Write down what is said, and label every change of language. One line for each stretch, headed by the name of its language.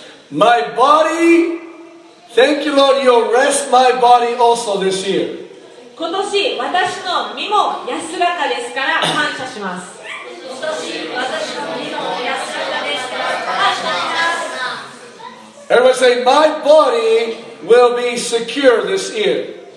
English: My body, thank you Lord, you'll rest my body also this year.
Japanese: 今年私の身も安らかですから感謝します。
English: Everybody say, my body will be secure this year.